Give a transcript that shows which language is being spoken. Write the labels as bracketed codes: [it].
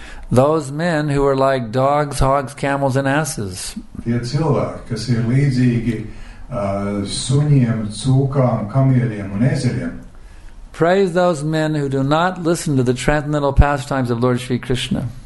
[en] Those men who are like dogs, hogs, camels, and asses. [lv] Tie cilvēki, kas ir līdzīgi suņiem, cūkām, kamieļiem un ezeriem. [en] Praise those men who do not listen to the transcendental pastimes of Lord Shri Krishna.